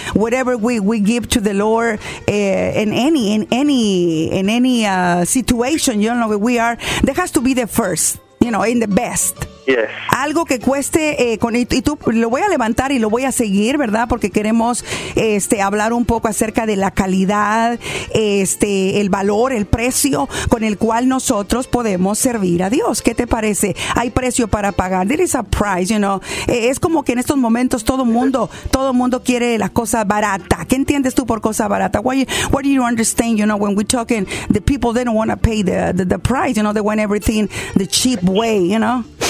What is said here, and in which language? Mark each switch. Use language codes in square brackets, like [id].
[en] Whatever we give to the Lord in any situation, you know, where we are, there has to be the first, you know, in the best. Yes. [es] Algo que cueste, tú lo voy a levantar y lo voy a seguir, ¿verdad? Porque queremos hablar un poco acerca de la calidad, el valor, el precio con el cual nosotros podemos servir a Dios. ¿Qué te parece? Hay precio para pagar. [en] There is a price, you know. [es] Es como que en estos momentos todo mundo quiere la cosa barata. ¿Qué entiendes tú por cosa barata? [en] What do you understand, you know, when we're talking, the people, they don't want to pay the price, you know, they want everything the cheap way, you know?